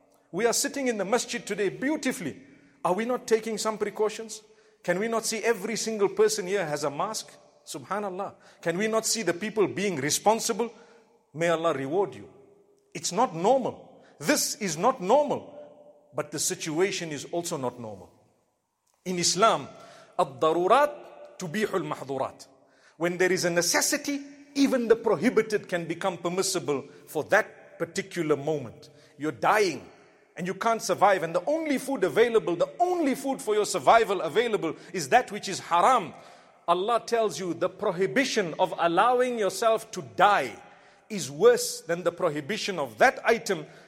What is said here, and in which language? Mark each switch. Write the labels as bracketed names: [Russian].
[English] We are sitting in the masjid today beautifully. Are we not taking some precautions? Can we not see every single person here has a mask? Subhanallah. Can we not see the people being responsible? May Allah reward you. It's not normal. This is not normal. But the situation is also not normal. In Islam, [Arabic] الضرورات تبيح المحظورات. [English] When there is a necessity, even the prohibited can become permissible for that particular moment. You're dying and you can't survive. And the only food available, the only food for your survival available is that which is haram. Allah tells you the prohibition of allowing yourself to die is worse than the prohibition of that item.